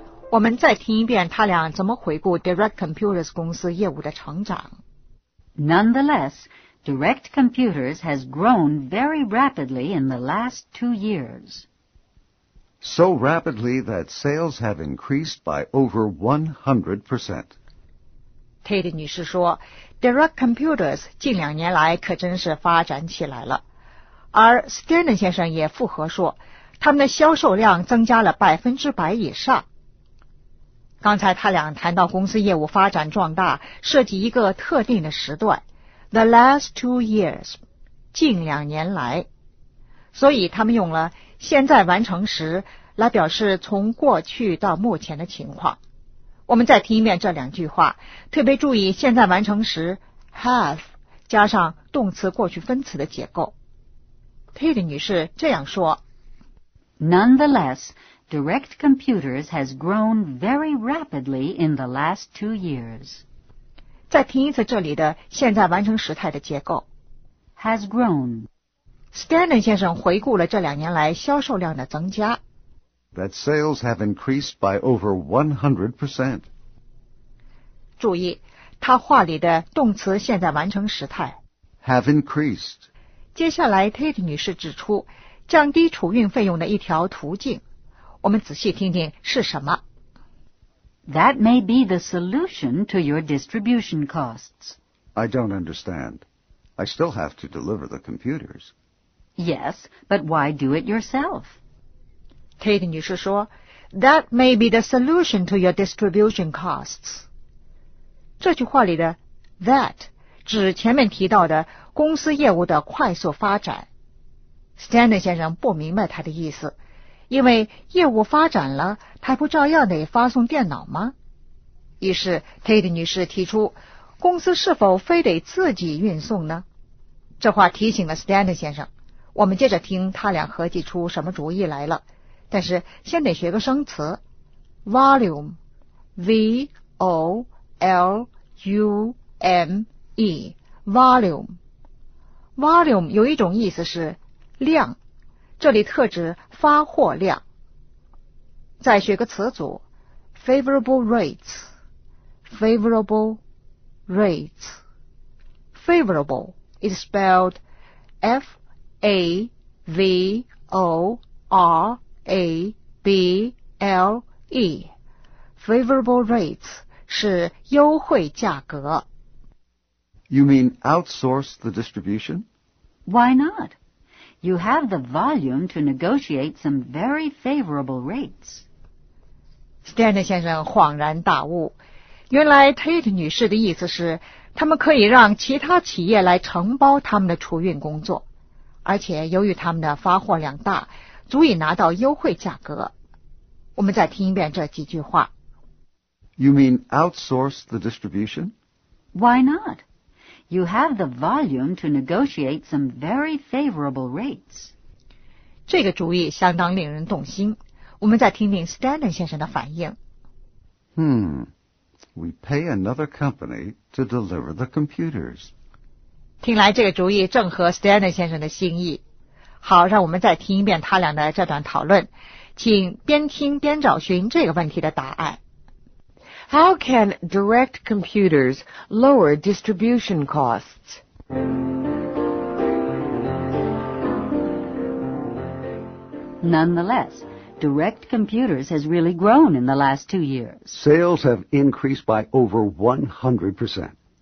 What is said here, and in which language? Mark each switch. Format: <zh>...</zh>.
<zh>We 再听一遍他俩怎么回顾 Direct Computers 公司业务的成长。</zh> <en>Nonetheless, Direct Computers has grown very rapidly in the last 2 years. So rapidly that sales have increased by over 100%.</en> <zh>Tate 女士说 Direct Computers 近两年来可真是发展起来了，而 Stanton 先生也附和说他们的销售量增加了100%以上。刚才他俩谈到公司业务发展壮大涉及一个特定的时段，</zh> <en>The last 2 years，</en> <zh>近两年来，所以他们用了现在完成时来表示从过去到目前的情况。我们再听一遍这两句话，特别注意现在完成时 have 加上动词过去分词的结构。 Tate 女士这样说。</zh> <en>Nonetheless, Direct Computers has grown very rapidly in the last 2 years.</en> <zh>再听一次这里的现在完成时态的结构。</zh> <en>Has grown.</en> <zh>Stanton 先生回顾了这两年来销售量的增加。</zh> <en>That sales have increased by over 100%.</en> <zh>注意，他话里的动词现在完成时态。</zh> <en>Have increased.</en> <zh>接下来 Tate 女士指出降低储运费用的一条途径，我们仔细听听是什么。</zh> <en>That may be the solution to your distribution costs. I don't understand. I still have to deliver the computers. Yes, but why do it yourself?</en> <zh>Tate 女士说 ,</zh> <en>That may be the solution to your distribution costs.</en> <zh>这句话里的 that 指前面提到的公司业务的快速发展。 Stanton 先生不明白他的意思，因为业务发展了，他不照样得发送电脑吗？于是 Tate 女士提出，公司是否非得自己运送呢？这话提醒了 Stanton 先生。我们接着听他俩合计出什么主意来了，但是先得学个生词 ，volume， v o l u m e， volume， volume 有一种意思是。量，这里特指发货量。再学个词组</zh> <en>，favorable rates，favorable rates，favorable is spelled f a v o r a b l e，favorable rates</en> <zh>是优惠价格。</zh> <en>You mean outsource the distribution? Why not? You have the volume to negotiate some very favorable rates.</en> <zh>Stanton 先生恍然大悟，原来 Tate 女士的意思是，他们可以让其他企业来承包他们的储运工作，而且由于他们的发货量大，足以拿到优惠价格。我们再听一遍这几句话。</zh> <en>You mean outsource the distribution? Why not? You have the volume to negotiate some very favorable rates.</en> <zh>这个主意相当令人动心。我们再听听 Stanton 先生的反应。</zh> <en>We pay another company to deliver the computers.</en> <zh>听来这个主意正合 Stanton 先生的心意。好，让我们再听一遍他俩的这段讨论，请边听边找寻这个问题的答案。</zh> <en>How can direct computers lower distribution costs? Nonetheless, direct computers has really grown in the last 2 years. Sales have increased by over 100%.</en>